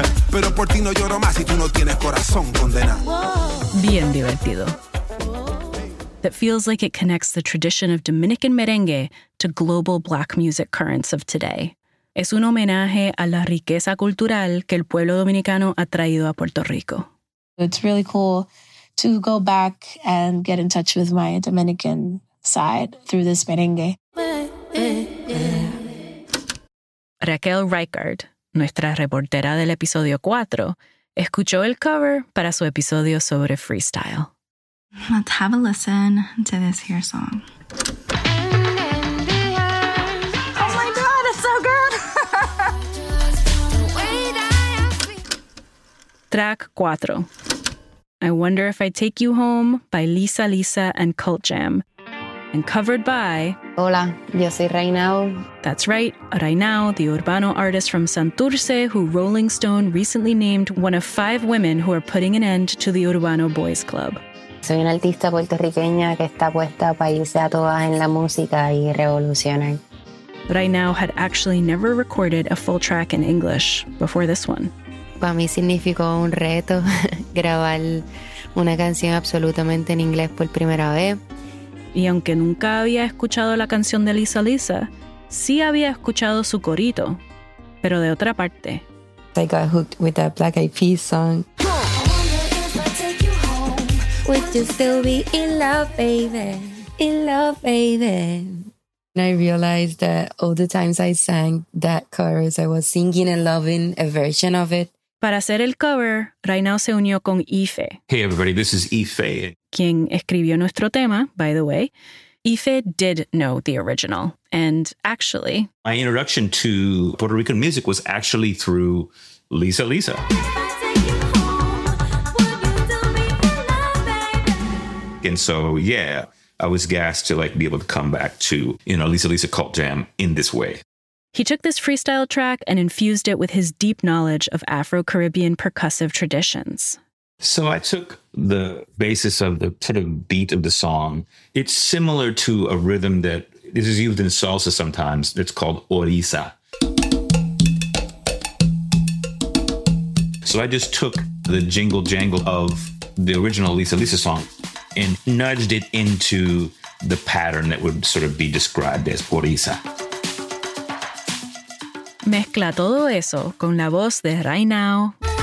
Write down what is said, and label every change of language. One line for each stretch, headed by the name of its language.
Spanish: Pero por ti no lloro más si tú no tienes corazón, condena. Bien divertido.
English: That feels like it connects the tradition of Dominican merengue to global black music currents of today.
Spanish: Es un homenaje a la riqueza cultural que el pueblo dominicano ha traído a Puerto Rico.
English: It's really cool to go back and get in touch with my Dominican side through this merengue.
Spanish: Raquel Reichard, nuestra reportera del episodio 4, escuchó el cover para su episodio sobre freestyle.
English: Let's have a listen to this here song. Oh my God, it's so good! Track 4. I Wonder If I Take You Home by Lisa Lisa and Cult Jam. And covered by...
Spanish: Hola, yo soy Reinao.
English: That's right, Reinao, the Urbano artist from Santurce, who Rolling Stone recently named one of 5 women who are putting an end to the Urbano Boys Club.
Spanish: Soy una artista puertorriqueña que está puesta para irse a todas en la música y revolucionar.
English: Reinao had actually never recorded a full track in English before this one.
Spanish: Para mí significó un reto grabar una canción absolutamente en inglés por primera vez. Y aunque nunca había escuchado la canción de Lisa Lisa, sí había escuchado su corito, pero de otra parte.
English: I got hooked with that Black Eyed Peas song. I wonder if I take you home. Would you still be in love, baby? In love, baby. And I realized that all the times I sang that chorus, I was singing and loving a version of it.
Spanish: Para hacer el cover, Reinao se unió con Ife.
English: Hey everybody, this is Ife.
Spanish: Quien escribió nuestro tema,
English: by the way. Ife did know the original. And actually... My introduction to Puerto Rican music was actually through Lisa Lisa. And so, yeah, I was gassed to like be able to come back to, you know, Lisa Lisa Cult Jam in this way. He took this freestyle track and infused it with his deep knowledge of Afro-Caribbean percussive traditions. So I took the basis of the sort of beat of the song. It's similar to a rhythm that this is used in salsa sometimes. It's called orisa. So I just took the jingle jangle of the original Lisa Lisa song and nudged it into the pattern that would sort of be described as orisa.
Spanish: Mezcla todo eso con la voz de Reinao.